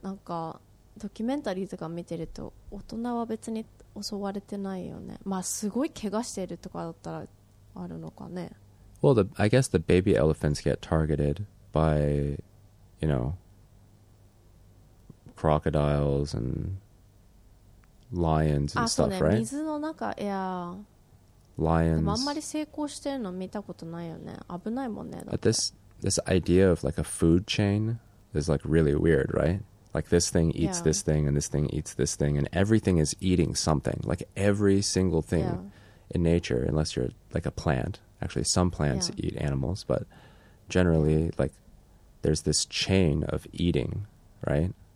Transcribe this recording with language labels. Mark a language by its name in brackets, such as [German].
[Japanese] なんかドキュメンタリーとか見てると大人は別に襲われてないよね。まあすごい怪我してるとかだったらあるのかね。 [English] Well, I guess the baby elephants get targeted by, you know, crocodiles and lions and stuff, right? [Japanese] あ、そうね。水の中、いや。 [English] Lions. [Japanese] でもあんまり成功してるの見たことないよね。危ないもんね。 [English] But this idea of like a food chain is like really weird, right? Like, this thing eats this thing, and this thing eats this thing, and everything is eating something. Like, every single thing in nature, unless you're, like, a plant. Actually, some plants eat animals, but generally, like, there's this chain of eating, right?